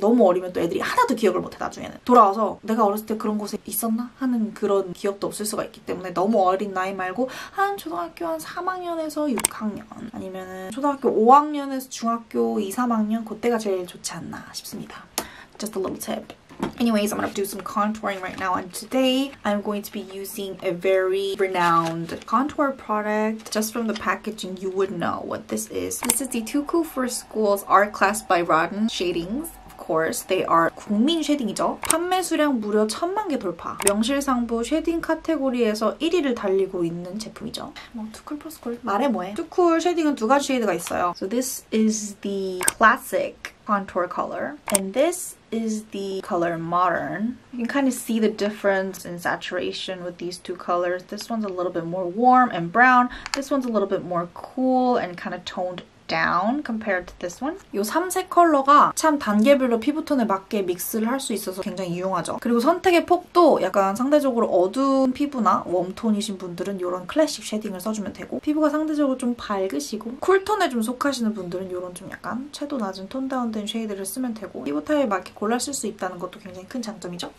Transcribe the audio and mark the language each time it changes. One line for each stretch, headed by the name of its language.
Korean: 너무 어리면 또 애들이 하나도 기억을 못해 나중에는. 돌아와서 내가 어렸을 때 그런 곳에 있었나? 하는 그런 기억도 없을 수가 있기 때문에 너무 어린 나이 말고 한 초등학교 한 3학년에서 6학년 아니면은 초등학교 5학년에서 중학교 2, 3학년 그때가 제일 좋지 않나 싶습니다.
English: Just a little tip. Anyways, I'm gonna do some contouring right now and today I'm going to be using a very renowned contour product. Just from the packaging, you would know what this is. This is the Tuku for Schools Art Class by Rodden Shadings. Of course, they are
Korean: 국민 쉐딩이죠. 판매 수량 무려 천만 개 돌파. 명실상부 쉐딩 카테고리에서 1위를 달리고 있는 제품이죠. 뭐 투쿨 포스쿨 말해 뭐해. 투쿨 쉐딩은 두 가지 쉐이드가 있어요.
English: So this is the classic contour color. And this is the color modern. You can kind of see the difference in saturation with these two colors. This one's a little bit more warm and brown. This one's a little bit more cool and kind of toned down compared to this one.
Korean: 이 3색 컬러가 참 단계별로 피부톤에 맞게 믹스를 할 수 있어서 굉장히 유용하죠. 그리고 선택의 폭도 약간 상대적으로 어두운 피부나 웜톤이신 분들은 이런 클래식 쉐딩을 써주면 되고 피부가 상대적으로 좀 밝으시고 쿨톤에 좀 속하시는 분들은 이런 좀 약간 채도 낮은 톤 다운된 쉐이드를 쓰면 되고 피부 타입에 맞게 골라 쓸 수 있다는 것도 굉장히 큰 장점이죠.